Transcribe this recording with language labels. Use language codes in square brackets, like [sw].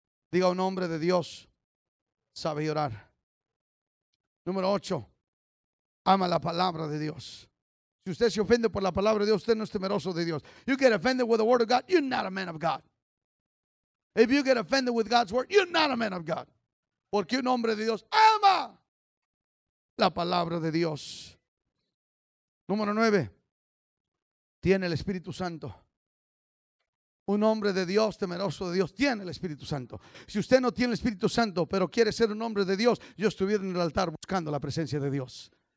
[es] Diga, un hombre de Dios sabe llorar. Número 8. Ama la palabra de Dios. Si usted se ofende por la palabra de Dios, usted no es temeroso de Dios. [en] You get offended with the word of God, you're not a man of God. If you get offended with God's word, you're not a man of God. [es] Porque un hombre de Dios ama la palabra de Dios. Número 9. Tiene el Espíritu Santo. Un hombre de Dios, temeroso de Dios, tiene el Espíritu Santo. Si usted no tiene el Espíritu Santo, pero quiere ser un hombre de Dios, yo estuviera en el altar buscando la presencia de Dios.